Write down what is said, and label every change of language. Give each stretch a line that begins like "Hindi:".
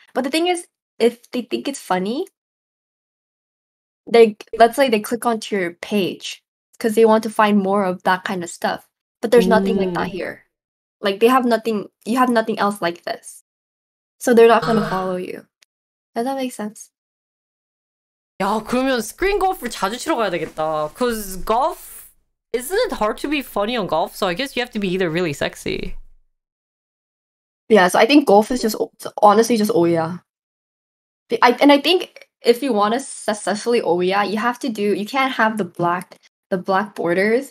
English: But the thing is, if they think it's funny, let's say they click onto your page because they want to find more of that kind of stuff. But there's nothing like that here. Like, they have nothing, you have nothing else like this. So they're not going to follow you. Does that make sense?
Korean: Yeah, 그러면 스크린 골프를 자주 치러 가야 되겠다.
English: Because golf, isn't it hard to be funny on golf? So I guess you have to be either really sexy. Yeah, so I think golf is just, honestly, just Oya. I think if you want to successfully Oya, you have to do, you can't have the black borders.